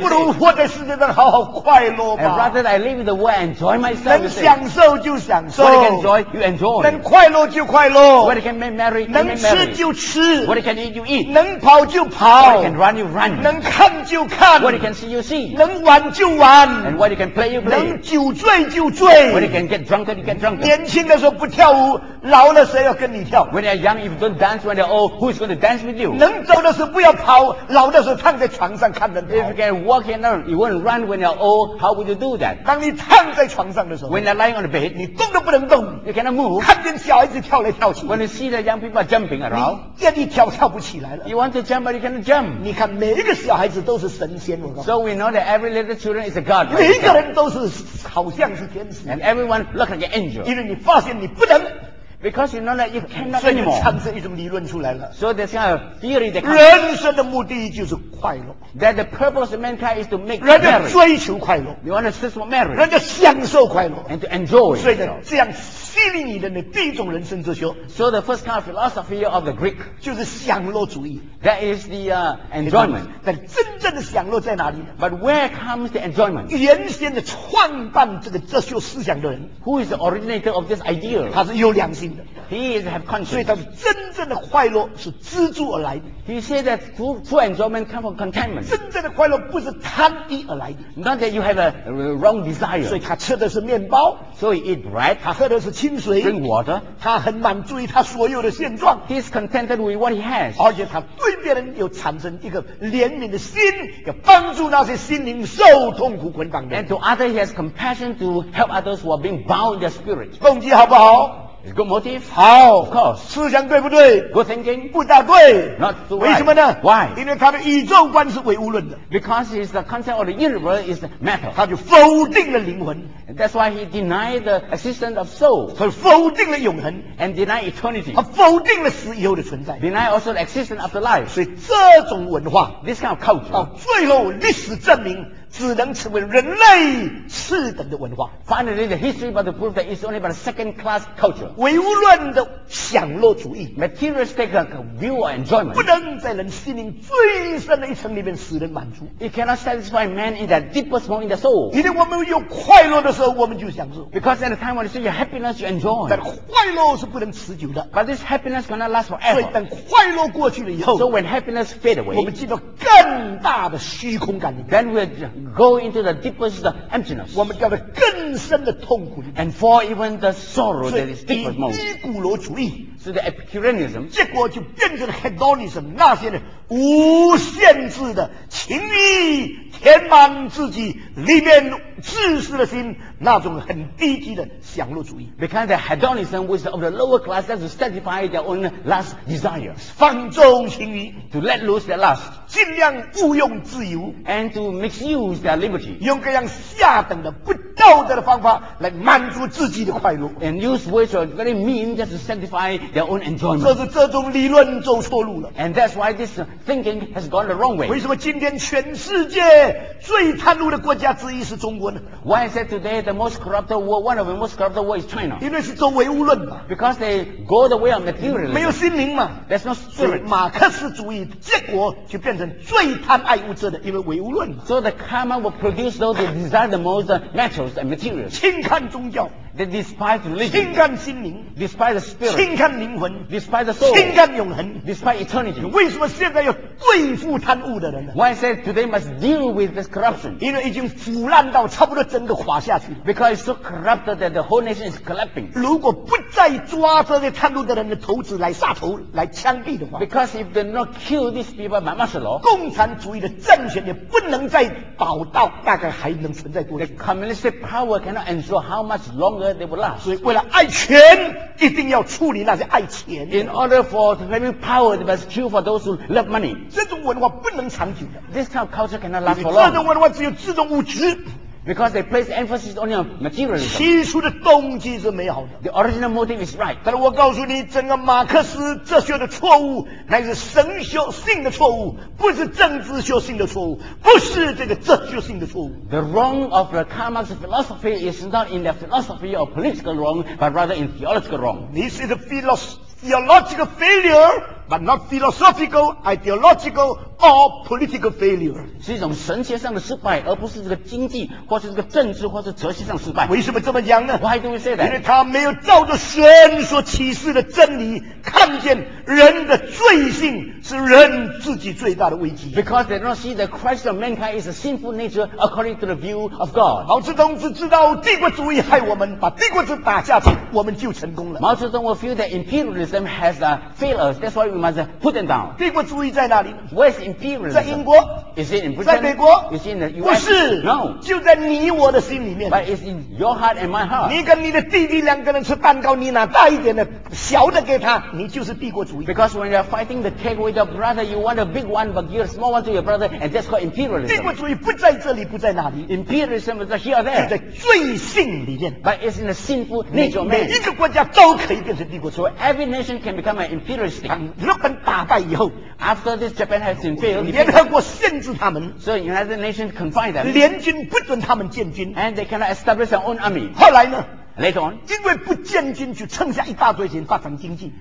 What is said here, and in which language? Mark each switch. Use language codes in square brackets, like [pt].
[zh] 不如活在世界上好好快乐吧。 [en] And rather I live the world and enjoy myself. [zh] 能享受就享受。 [en] What I can enjoy, you enjoy. [zh] 能快乐就快乐。 [en] What I can make merry, you make merry. [zh] 能吃就吃。 [en] What I can eat, you eat. [zh] 能跑就跑。 [en] What I can run, you run. [zh] 能看就看。 [en] What I can see, you see. [zh] 能玩就玩。 [en] And what I can play, you play. [zh] 能酒醉就醉。 [en] What I can get drunk, you get drunk. [zh] 年轻的时候不跳舞，老了谁要跟你跳？ [en] When you're young, if you don't dance, when you're old, who's going to dance with you? [zh] 能走的时候不要跑，老的时候躺在床上看人跑。 [en] If you can walk and learn, you won't run when you're old. How would you do that? [zh] 当你躺在床上的时候， [en] when you're lying on the bed, [zh] 你动都不能动， [en] you cannot move. [zh] 看见小孩子跳来跳去， [en] when you see the young people jumping around, [zh] 你跳跳不起来了。 [en] You want to jump, but you cannot jump. [zh] 你看每一个小孩子都是神仙，我告诉你。 [en] So we know that every little children is a god. [zh] 每一个人都是好像是天使。 [en] And everyone look like an angel. [zh] 因为你发现你不能。 [en] Because you know that you cannot anymore. [zh] 产生一种理论出来了。 [en] So there's kind of theory that. [zh] 人生的目的就是快乐。 [en] That the purpose of mankind is to make merry. [zh] 人家追求快乐。 [en] You want to seek for merry. [zh] 人家享受快乐。 [en] And to enjoy. [zh] 所以这样激励你的那第一种人生哲学。 [en] So the first kind of philosophy of the Greek [zh] 就是享乐主义。 [en] That is the enjoyment. [zh] 但真正的享乐在哪里呢？ [en] But where comes the enjoyment? [zh] 原先的创办这个哲学思想的人。 [en] Who is the originator of this idea? [zh] 他是有良心。 [en] He is have conscience. [zh] 所以他说真正的快乐是知足而来的。 [en] He said that true enjoyment comes from contentment. [zh] 真正的快乐不是贪欲而来的。 [en] Not that you have a wrong desire. [zh] 所以他吃的是面包。 [en] So he eat bread. [zh] 他喝的是清水。 [en] Drink water. [zh] 他很满足于他所有的现状。 [en] He is contented with what he has. [zh] 而且他对别人有产生一个怜悯的心，要帮助那些心灵受痛苦捆绑的。 [en] And to others he has compassion to help others who are being bound in their spirit. [zh] 动机好不好？ [en] It's good motive. [zh] 好 [en] ，of course. [zh] 思想对不对 [en] ？Good thinking. [zh] 不大对 [en] ，not too right. [zh] 为什么呢 [en] ？Why? [zh] 因为他的宇宙观是唯物论的。 [en] Because his concept of the universe is matter. [zh] 他就否定了灵魂。 [en] That's why he denied the existence of soul. [zh] 他否定了永恒 [en] ，and denied eternity. [zh] 他否定了死以后的存在 [en] ，denied also the existence of the life. [zh] 所以这种文化 [en] ，this kind of culture, [zh] 到最后历史证明。只能成为人类次等的文化。 [en] Finally, the history but the proof that it's only about a second-class culture. [zh] 唯物论的享乐主义 [en] ，materialistic view of enjoyment， [zh] 不能在人心灵最深的一层里面使人满足。 [en] It cannot satisfy man in that deepest point in the soul. [zh] 因为我们有快乐的时候，我们就享受。 [en] Because at the time when you see your happiness, you enjoy. [zh] 但快乐是不能持久的。 [en] But this happiness cannot last forever. [zh] 所以等快乐过去了以后 [en] ，So when happiness fade away， [zh] 我们进入更大的虚空感里面。 [en] Then we'll go into the deepest emptiness. [zh] 我们掉到更深的痛苦里。 [en] And for even the sorrow that is deepest most. [zh] 所以，伊古罗主义。 [en] So the Epicureanism. [zh] 结果就变成了 hedonism， 那些人无限制的情欲，填满自己里面自私的心，那种很低级的享乐主义。 [en] Because the hedonism was of the lower class that to satisfy their own lust desire. [zh] 放纵情欲 [en] ，to let loose their lust. [zh] 尽量误用自由 [en] ，and to misuse their liberty. [zh] 用各样下等的不道德的方法来满足自己的快乐。 [en] And use ways that are very mean just to satisfy their own enjoyment. [zh] 这是这种理论走错路了。 [en] And that's why this thinking has gone the wrong way. [zh] 为什么今天全世界最贪污的国家之一是中国呢？ [en] Why is it today the most corrupt world? One of the most corrupt world is China. [zh] 因为是走唯物论嘛。 [en] Because they go the way of materialism. [zh] 没有心灵嘛。 [en] There's no spirit. [zh] 马克思主义结果就变成最贪爱物质的，因为唯物论嘛。 [en] So the karma will produce those they desire the most metals and materials. [zh] 轻看宗教。 [en] They despise religion. [zh] 轻看心灵。 [en] Despise the spirit. [zh] 轻看灵魂。 [en] Despise the soul. [zh] 轻看永恒。 [en] Despise eternity. [zh] 为什么现在要对付贪污的人呢？ [en] Why say today must deal with this corruption? [zh] 因为已经腐烂到差不多整个垮下去了。 [en] Because it's so corrupt that the whole nation is collapsing. [zh] 如果不再抓这些贪污的人的头子来杀头来枪毙的话， [en] Because if they not kill these people by martial law, [zh] 共产主义的政权也不能再保到大概还能存在多久。 [en] The communist power cannot ensure how much longer. They will last. [zh] 所以为了爱钱一定要处理那些爱钱。 [en] In order for having power, they must kill for those who love money. [zh] 这种文化不能长久的。 [en] This kind of culture cannot last for long. [zh] 这种文化只有自动物质。 [en] Because they place emphasis only on materialism. [zh] 起初的动机是美好的。 [en] The original motive is right. [zh] 但是我告诉你，整个马克思哲学的错误乃是神学性的错误，不是政治学性的错误，不是这个哲学性的错误。 [en] The wrong of the Karl Marx philosophy is not in the philosophy of political wrong, but rather in theological wrong. This is a theological failure. but not philosophical, ideological, or political failure. [zh] 是一种神学上的失败，而不是这个经济或是这个政治或是哲学上失败。为什么这么讲呢？ [en] Why do we say that? [zh] 因为他没有照着神所启示的真理，看见人的罪性是人自己最大的危机。 [en] Because they don't see the Christ of mankind is a sinful nature according to the view of God. [zh] 毛泽东只知道帝国主义害我们，把帝国主义打下去，我们就成功了。 [en] 毛泽东 will feel that imperialism has failed us. That's why we must put them down. [zh] 帝国主义在哪里？ [en] Where is imperialism? [zh] 在英国？ [en] Is it in Britain? [zh] 在美国？ [en] Is it in the US? [zh] 不是。 [en] No. [zh] 就在你我的心里面。 [en] But it's in your heart and my heart. [zh] 你跟你的弟弟两个人吃蛋糕，你拿大一点的，小的给他，你就是帝国主义。 [en] Because when you are fighting the cake with your brother, you want a big one, but give a small one to your brother, and that's called imperialism. [zh] 帝国主义不在这里，不在哪里。 [en] Imperialism is here or there. [zh] 就在罪性里面。 [en] But it's in the sinful nature of man. [zh] 每一个国家都可以变成帝国主义。 [en] So every nation can become an imperial state. [zh] 日本打败以后 [en] ，After this Japan has been failed, [zh] 联合国限制他们。 [en] So United Nations confined them. [zh] 联军不准他们建军。 [en] And they cannot establish their own army. [zh] 后来呢？ [en] Later on, [zh] 因为不建军就撑下一大堆钱发展经济。